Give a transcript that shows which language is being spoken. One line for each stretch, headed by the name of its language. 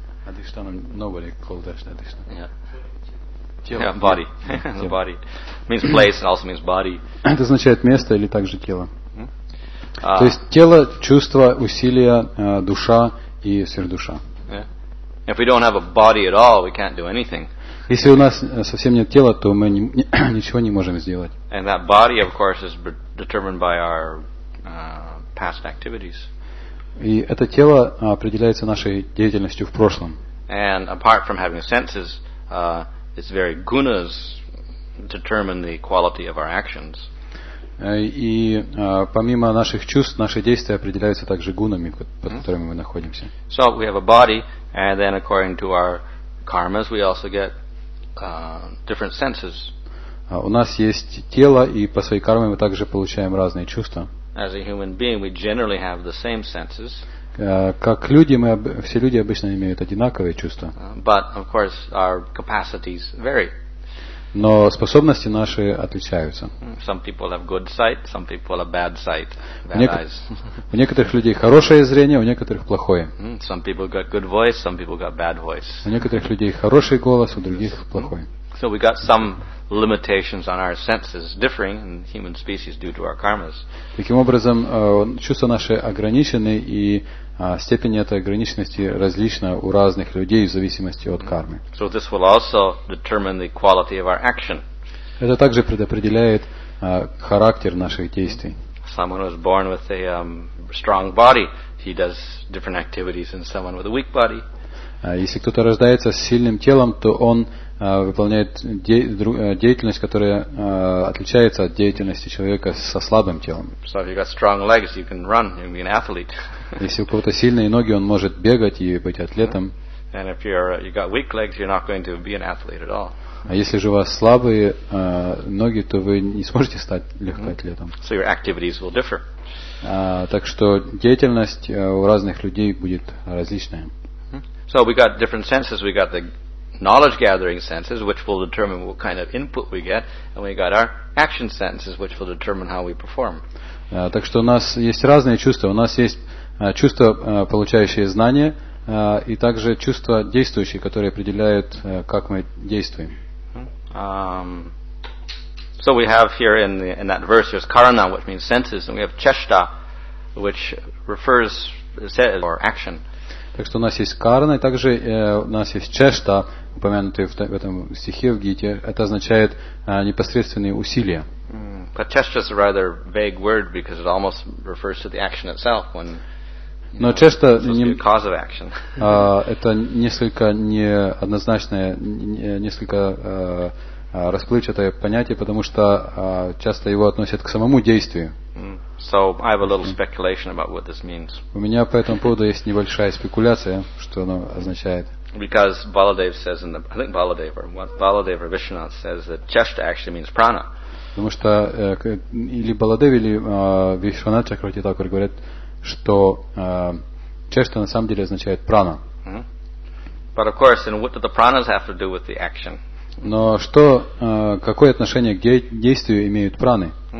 English: Adhishtanam, nobody called Adhishtanam. Yeah.
Russian: Тело.
English: Yeah, body. The body. It means place, it also means body.
Russian: Это означает место или также тело. То есть тело, чувства, усилия, душа и сердуша.
English: Yeah. If we don't have a body at all, we can't do anything.
Russian: Если у нас совсем нет тела, то мы ничего не можем сделать.
English: And that body, of course, is determined by our past activities.
Russian: И это тело определяется нашей деятельностью в прошлом.
English: And apart from having senses, its very gunas determine the quality of our actions.
Russian: И помимо наших чувств, наши действия определяются также гунами, под которыми мы находимся.
English: So we have a body, and then according to our karmas, we also get different senses.
Russian: У нас есть тело, и по своей карме мы также получаем разные чувства.
English: As a human being, we generally have the same senses.
Russian: Как люди, мы все люди обычно имеют одинаковые чувства.
English: But of course, our capacities vary.
Russian: Но способности наши отличаются.
English: Some people have good sight, some people have bad sight, bad eyes.
Russian: У некоторых людей хорошее зрение, у некоторых плохое.
English: Some people got good voice, some people got bad voice.
Russian: У некоторых людей хороший голос, у других плохой.
English: So we got some limitations on our senses differing in human species due to our karmas.
Russian: Таким образом, чувства наши ограничены, и степень этой ограниченности различна у разных людей в зависимости от кармы.
English: So this will also determine the quality of our action.
Russian: Это также предопределяет характер наших действий.
English: Someone was born with a strong body, he does different activities than someone with a weak body.
Russian: Если кто-то рождается с сильным телом, то он выполняет деятельность, которая отличается от деятельности человека со слабым телом.
English: So if you got strong legs, you can run, you can be an athlete.
Russian: Если у кого-то сильные ноги, он может бегать и быть атлетом.
English: And if you got weak legs, you're not going to be an athlete at all.
Russian: А если же у вас слабые ноги, то вы не сможете стать легкоатлетом.
English: So your activities will differ.
Russian: Так что деятельность у разных людей будет различная.
English: So we got different senses. We got the knowledge gathering senses, which will determine what kind of input we get, and we got our action senses, which will determine how we perform.
Russian: Так что у нас есть разные чувства. У нас есть чувства, получающие знания, и также чувства действующие, которые определяют, как мы действуем.
English: So we have here in that verse, there's karana, which means senses, and we have cheshta, which refers to action.
Russian: Так что у нас есть карана, и также у нас есть чешта, упомянутая в этом стихе в Гите. Это означает непосредственные усилия.
English: But cheshta is a rather vague word because it almost refers to the action itself. When,
Russian: но чешта
English: не cause of action.
Russian: Это несколько неоднозначное, несколько расплывчатое понятие, потому что часто его относят к самому действию.
English: So I have a little speculation about what this means.
Russian: У меня по этому поводу есть небольшая спекуляция, что оно означает.
English: Because Baladev says in the, I think Baladev or what Baladev or Vishwanath says that cheshta actually means prana.
Russian: Потому что или Баладев, или Вишванат Чакравати Такур говорят, что чешта на самом деле означает прана.
English: But of course, and what do the pranas have to do with the action?
Russian: Но что, какое отношение к действию имеют праны?